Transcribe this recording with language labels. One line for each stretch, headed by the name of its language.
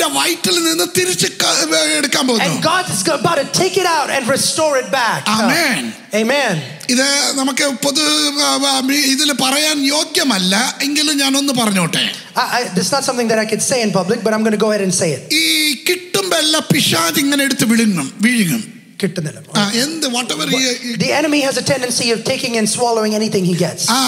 English: And God is about to take it out and restore it back. Amen. Amen.
Malayalam: ഇത് നമുക്ക് പൊതു ഇതിൽ പറയാൻ യോഗ്യമല്ല എങ്കിലും ഞാൻ ഒന്ന് പറഞ്ഞോട്ടെ.
English: This is not something that I could say in public, but I'm going to go ahead and say it.
Malayalam: ഈ കിട്ടുമ്പോൾ പിശാച് ഇങ്ങനെ എടുത്ത് വിഴുങ്ങും.
English: The enemy has a tendency of taking and swallowing anything he gets.